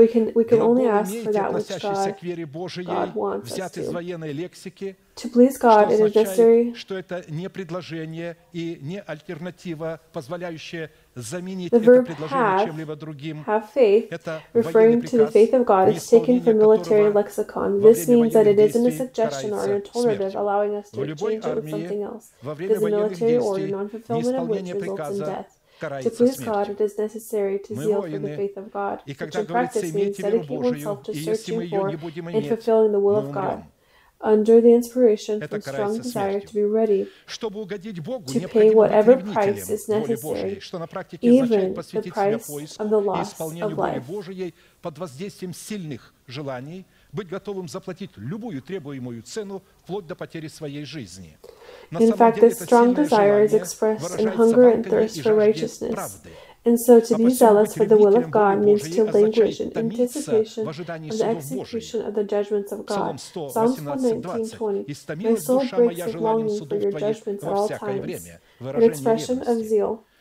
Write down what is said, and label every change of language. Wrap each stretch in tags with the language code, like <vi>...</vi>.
<en>We can only ask for that which God wants us to. To please God, it is necessary.</en> <ru>Это не предложение и не альтернатива, позволяющая заменить это предложение чем-либо другим.</ru> <en>Have faith, referring to the faith of God, is taken from military lexicon. This means that it isn't a suggestion or an alternative, allowing us to change it with something else. This military order, non-fulfillment of which results in death. To please God, it is necessary to zeal for the faith of God, which in practice means dedicate oneself to searching for and fulfilling the will of God, under the inspiration from strong desire to be ready to pay whatever price is necessary, even the price of the loss of life.</en> <ru>Быть готовым заплатить любую требуемую цену, вплоть до потери своей жизни.</ru> <en>In fact, this strong desire is expressed in hunger and thirst for righteousness. And so to be zealous for the will of God means to languish in anticipation of the execution of the judgments of God. Psalm 119:20. My soul breaks with longing for your judgments at all times. An expression of zeal.</en>